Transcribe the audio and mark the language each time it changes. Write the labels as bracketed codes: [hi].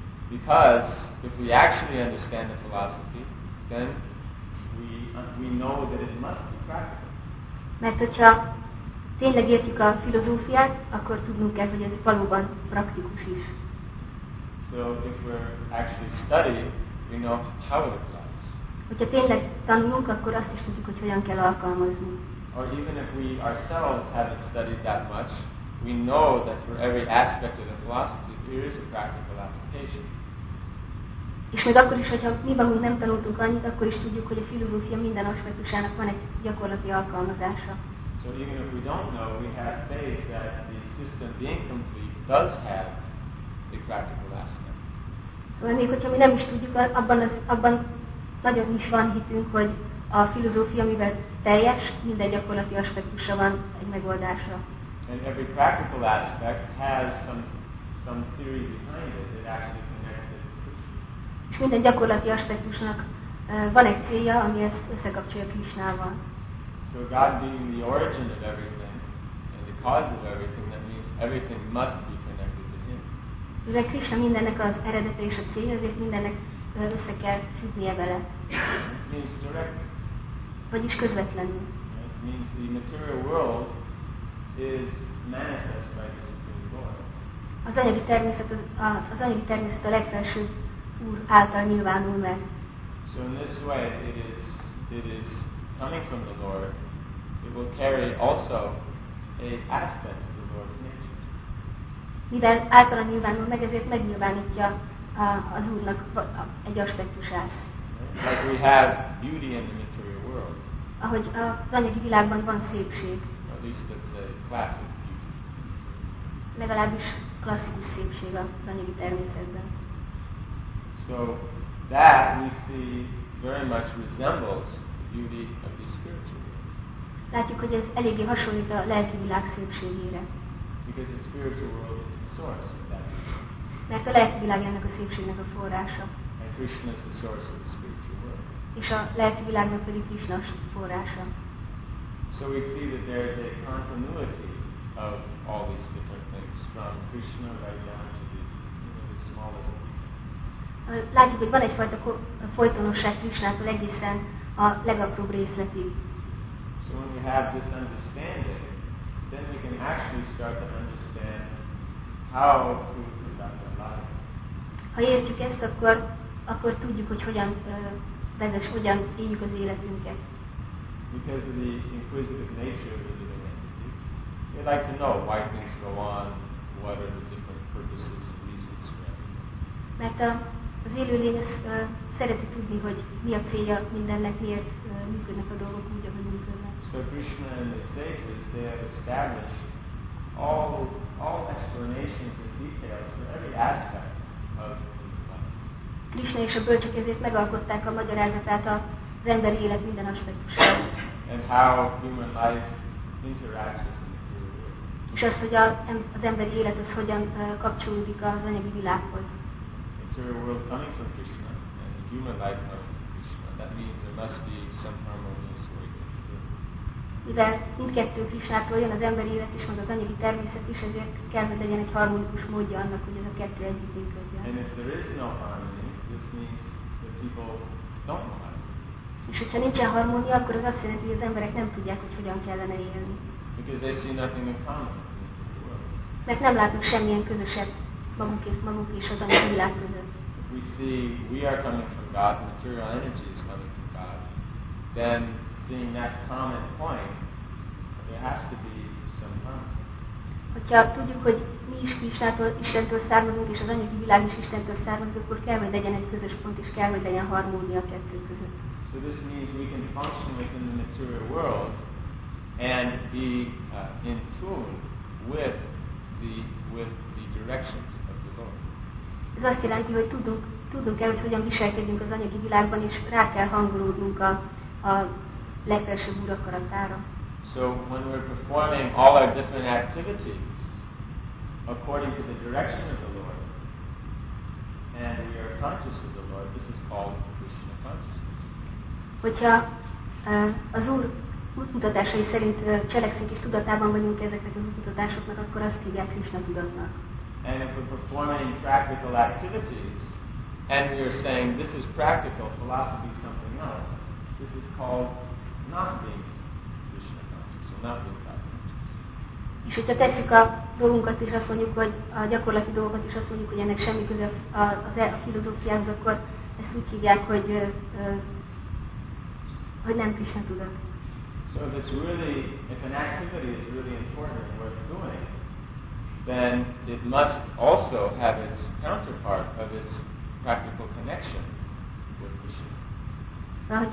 [en] Because if we actually understand the philosophy, then we know that it must be practical. [hu] Mert hogyha tényleg értjük a filozófiát, akkor tudnunk kell, hogy ez valóban praktikus is. [en] So if we're actually studying, we know how it applies. [hu] Hogyha tényleg tanulunk, akkor azt is tudjuk, hogy hogyan kell alkalmazni. [en] Or even if we ourselves haven't studied that much, we know that for every aspect of the philosophy, there is a practical application. [hu] És még akkor is, hogyha mi magunk nem tanultunk annyit, akkor is tudjuk, hogy a filozófia minden aspektusának van egy gyakorlati alkalmazása. [en] So even if we don't know, we have faith that the system being complete does have a practical aspect. [hu] So még hogyha mi nem is tudjuk, abban nagyon is van hitünk, hogy a filozófia, amivel teljes, minden gyakorlati aspektusa van egy megoldásra. [en] And every practical aspect has some theory behind it that actually connects it. [hu] És minden gyakorlati aspektusnak van egy célja, ami ezt összekapcsolja Krisnával. [en] So God being the origin of everything and the cause of everything, that means everything must be connected to Him. [hu] Mivel Krisna mindennek az eredete és a célja, ezért mindennek össze kell függnie vele. [en] It means directly. [hu] Vagyis közvetlenül. [en] It means the material world is manifest by the Supreme Lord. [hu] Az anyagi természet a legfelsőbb Úr által nyilvánul meg. [en] So in this way it is coming from the Lord, it will carry also a aspect of the Lord's nature. [hu] Mivel általa nyilvánul meg, ezért megnyilvánítja az Úrnak egy aspektusát. [en] Like we have beauty in the material world. [hu] Ahogy az anyagi világban van szépség. [en] At least it's a classic beauty. [hu] Legalábbis klasszikus szépség az anyagi természetben. [en] So that we see very much resembles beauty of the spiritual. [hu] Látjuk, hogy ez eléggé hasonlít a lelki világ szépségére. [en] Because the spiritual world is the source of that. [hu] Mert a lelki világ ennek a szépségnek a forrása. [en] And Krishna is the source of the spiritual world. [hu] És a lelki világnak pedig Krishna forrása. [en] So we see that there is a continuity of all these different things from Krishna right down to the, you know, the smaller world. [hu] Látjuk, hogy van egyfajta folytonosság Krishnától egészen a legapróbb részletig. [en] So when we have this understanding, then we can actually start to understand how to conduct our life. [hu] Ha értjük ezt, akkor tudjuk, hogy hogyan éljük az életünket. [en] Because of the inquisitive nature of the living entity, we like to know why things go on, what are the different purposes and reasons for it. [hu] Mert az élőlény szereti tudni, hogy mi a célja mindennek, miért működnek a dolgok úgy, ahogy működnek. [en] So Krishna and the sages, they have established all explanations and details for every aspect of life. [hu] Krishna és a bölcsek ezért megalkották a magyarázatát az emberi élet minden aspektusára. [en] And how human life interacts with the material world. [hu] És azt, hogy az emberi élet az hogyan kapcsolódik az anyagi világhoz. [en] Material world coming from Krishna and human life coming from Krishna. That means there must be some harmonious way to live. [hu] Mindkettő Krishnától jön az emberi élet is, meg az anyagi természet is, ezért kell, hogy legyen egy harmonikus módja annak, hogy ez a kettő együtt működjön. [en] And if there is no harmony, this means that people don't know how to live. [hu] És hogyha nincsen harmónia, akkor az azt jelenti, hogy az emberek nem tudják, hogy hogyan kellene élni. [en] Because they see nothing in common. [hu] Mert nem látnak semmilyen közösebb maguk és az anyagi világ között. [en] If we see we are coming from God, material energy is coming from God, then seeing that common point, there has to be some harmony. [hu] Hogyha tudjuk, hogy mi is Krisnától, Istentől származunk, és az anyagi világ is Istentől származunk, akkor kell, hogy legyen egy közös pont, és kell, hogy legyen harmónia a kettő között. [en] So this means we can function within the material world and be in tune with the directions. [hu] Ez azt jelenti, hogy tudunk el, hogy hogyan viselkedjünk az anyagi világban, és rá kell hangolódnunk a legfelsőbb úr akaratára. [en] So when we're performing all our different activities according to the direction of the Lord, and we are conscious of the Lord, this is called Krishna consciousness. [hu] Hogyha az Úr útmutatásai szerint cselekszünk és tudatában vagyunk ezeknek az útmutatásoknak, akkor azt hívják Krishna tudatnak. [en] And if we're performing practical activities, and we are saying this is practical, philosophy is something else, this is called not being Krishna conscious, or not being Krishna conscious. [hu] És hogyha tesszük a dolgunkat és azt mondjuk, hogy a gyakorlati dolgokat is azt mondjuk, hogy ennek semmi köze a filozófiához, akkor ezt úgy hívják, hogy nem Krishna tudat. [en] So if it's really, if an activity is really important and worth doing, then it must also have its counterpart of its practical connection with Krishna.